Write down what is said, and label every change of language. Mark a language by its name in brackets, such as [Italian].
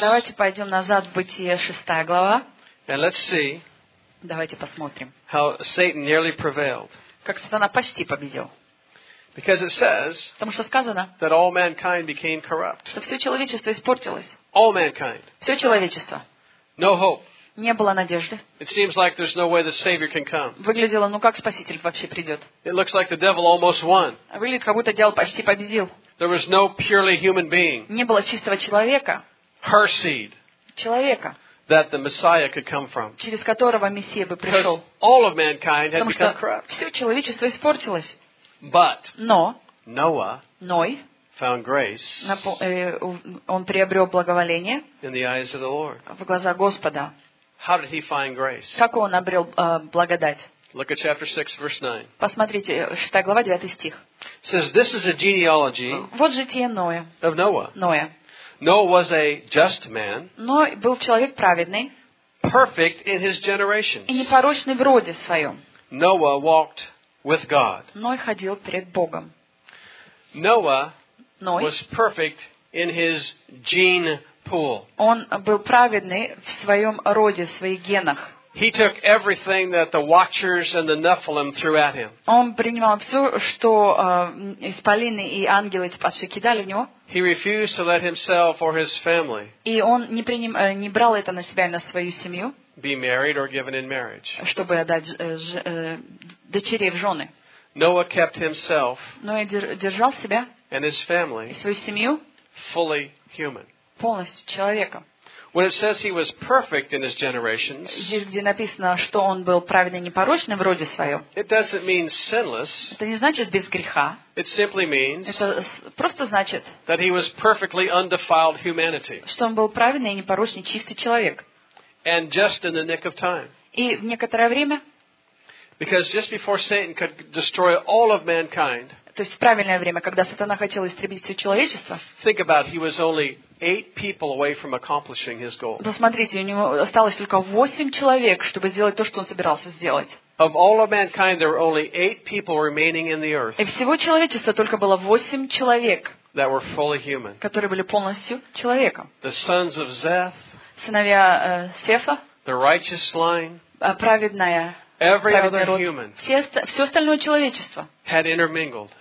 [Russian] Давайте пойдем назад в Бытие 6 глава. [English] And let's see. [Russian] Давайте посмотрим. [English] How Satan nearly prevailed. [Russian] Как сатана почти победил. [English] Because it says. [Russian] Потому что сказано. [English] That all mankind became corrupt. [Russian] Что все человечество испортилось. [English] All mankind. [Russian] Все человечество. [English] No hope. [Russian] Не было надежды. [English] It seems like there's no way the Savior can come. [Russian] Выглядело, ну как Спаситель вообще придет? [English] It looks like the devil almost won. [Russian] Выглядит, как будто дьявол почти победил. [English] There was no purely human being. [Russian] Не было чистого человека. [English] Her seed. [Russian] Человека. [English] That the Messiah could come from. [Russian] Через которого Мессия бы пришел. [English] Because all of mankind had become corrupt. [Russian] Потому что все человечество испортилось. [English] But. [Russian] Но. [English] Noah. [Russian] Ной. [English] Found grace. [Russian] Он приобрел благоволение. [English] In the eyes of the Lord. [Russian] В глаза Господа. [English] How did he find grace? [Russian] Как он обрел благодать? [English] Look at chapter 6, verse 9. [Russian] Посмотрите, 6 глава, 9 стих. [English] It says, this is a genealogy. [Russian] Вот житие Ноя. [English] Of Noah. [Russian] Ноя. [English] Noah was a just man. [Russian] Ной был человек праведный. [English] Perfect in his generations. [Russian] И непорочный в роде своем. [English] Noah walked with God. [Russian] Ной ходил перед Богом. [English] Noah [Russian] Ной. [English] Was perfect in his gene pool. [Russian] Он был праведный в своем роде, в своих генах. [English] He took everything that the watchers and the Nephilim threw at him. [Russian] Он принимал все, что исполины и ангелы типа кидали в него. [English] He refused to let himself or his family. [Russian] И он не брал это на себя и на свою семью. [English] Be married or given in marriage. [Russian] Чтобы отдать дочерей в жены. [English] Noah kept himself. [Russian] Ноя держал себя. [English] And his family. [Russian] И свою семью. [English] Fully human. [Russian] Полностью человеком. [English] When it says he was perfect in his generations, [Russian] здесь, где написано, что он был праведный и непорочный в роде своем, [English] it doesn't mean sinless. [Russian] Это не значит без греха. [English] It simply means [Russian] это просто значит, [English] that he was perfectly undefiled humanity. [Russian] Что он был праведный и непорочный, чистый человек. [English] And just in the nick of time. [Russian] И в некоторое время. [English] Because just before Satan could destroy all of mankind, [Russian] то есть в правильное время, когда сатана хотел истребить все человечество, [English] think about it, he was only 8 people away from accomplishing his goal. [Russian] Посмотрите, у него осталось только 8 человек, чтобы сделать то, что он собирался сделать. [English] Of all of mankind, there were only 8 people remaining in the earth. [Russian] И всего человечества только было 8 человек, [English] that were fully human. [Russian] Которые были полностью человеком. [English] The sons of Seth, [Russian] сыновья Сефа, [English] the righteous line, [Russian] праведная, [English] every [Russian] праведный [English] other [Russian] род, [English] human, [Russian] все остальное человечество, [English] had intermingled.